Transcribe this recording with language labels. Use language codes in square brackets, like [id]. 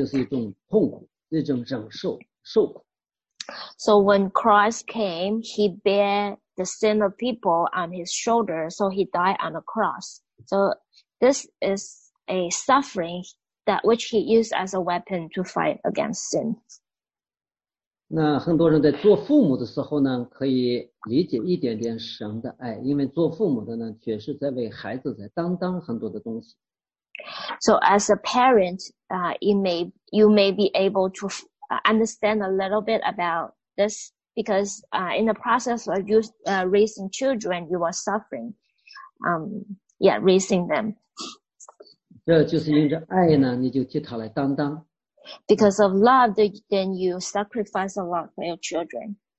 [zh] 那在主里面呢，主的爱就是十字架上的这种爱，其实他来到世间就是来担当，这种担当呢，就是他把别人的罪放在他的身上，这就是一种痛苦，一种忍受，受苦。 [en] So when Christ came, he bare the sin of people on his shoulder, so he died on the cross. So this is a suffering that which he used as a weapon to fight against sin. [zh] 那很多人在做父母的时候呢，可以理解一点点神的爱，因为做父母的呢，确实在为孩子在担当很多的东西。So [en] as a parent, you may be able to understand a little bit about this because in the process of you raising children, you are suffering. Raising them. [zh] 这就是因着爱呢，你就替他来担当。 [en] Because of love, then you sacrifice a lot for your children.